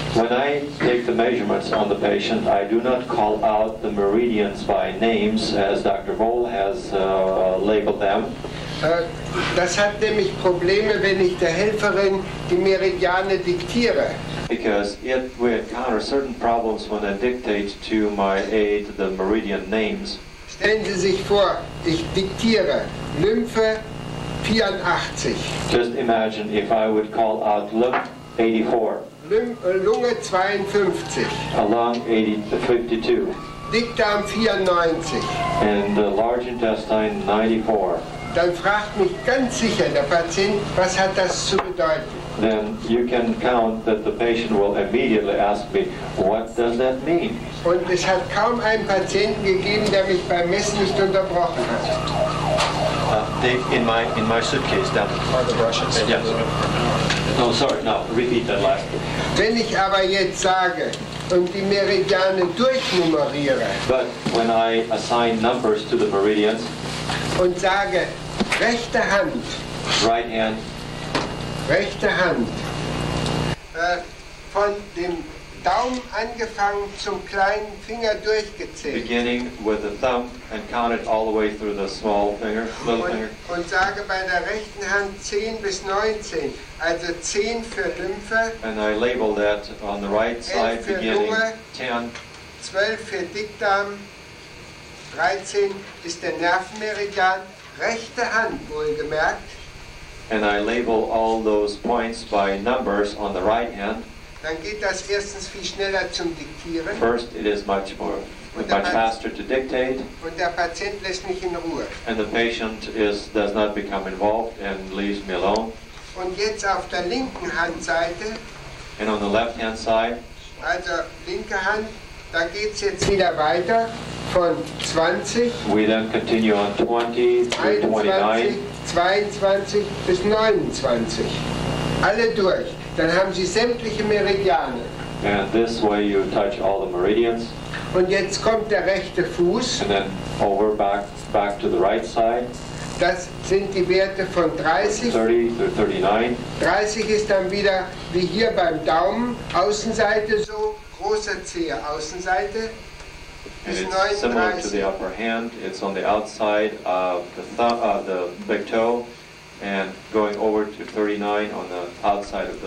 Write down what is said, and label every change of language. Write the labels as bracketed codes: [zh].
[en] When I take the measurements on the patient, I do not call out the meridians by names, as Dr. Voll has labeled them. [de] Das hat nämlich Probleme, wenn ich der Helferin die Meridiane diktiere. [en] Because it will encounter certain problems when I dictate to my aide the meridian names. [de] Stellen Sie sich vor, ich diktiere Lymphe 84. [en] Just imagine if I would call out Lymph 84. [de] Lunge 52. [en] Lung 52. [de] Dickdarm 94. [en] And the large intestine 94. [de] Dann fragt mich ganz sicher der Patient, was hat das zu bedeuten? [en] Then you can count that the patient will immediately ask me, what does that mean? [de] Und es hat kaum einen Patienten gegeben, der mich beim Messen nicht unterbrochen hat. [en] In my suitcase down. Are the Russians? Yes. No, sorry, no, repeat that last. [de] Wenn ich aber jetzt sage und die Meridiane durchnummeriere. [en] But when I assign numbers to the meridians. [de] Und sage, rechte Hand. [en] Right hand. [de] Rechte Hand. Von dem Daumen angefangen zum kleinen Finger durchgezählt. [en] Beginning with the thumb and counted all the way through the small finger, little finger. [de] Und sage bei der rechten Hand 10 bis 19, also 10 für Lymphe. [en] And I label that on the right side beginning [de] Lunge, 10. 12 für Dickdarm, 13 ist der Nervenmeridian, rechte Hand wohlgemerkt. [en] And I label all those points by numbers on the right hand. [de] Dann geht das erstens viel schneller zum Diktieren. [en] First, it is much faster to dictate. [de] Und der Patient lässt mich in Ruhe. [en] And the patient does not become involved and leaves me alone. [de] Und jetzt auf der linken Handseite. [en] And on the left hand side. [de] Also linke Hand, da geht's jetzt wieder weiter von 20. [en] We then continue on 20 to 29. [de] 22 bis 29. Alle durch. Dann haben Sie sämtliche Meridiane. [en] And this way you touch all the meridians. [de] Und jetzt kommt der rechte Fuß. [en] And then over back to the right side. [de] Das sind die Werte von 30. [en] 30 to 39. [de] 30 ist dann wieder wie hier beim Daumen, Außenseite so, großer Zehe, Außenseite. [en] It's similar to the upper hand. It's on the outside of the big toe and going over to 39 on the outside of the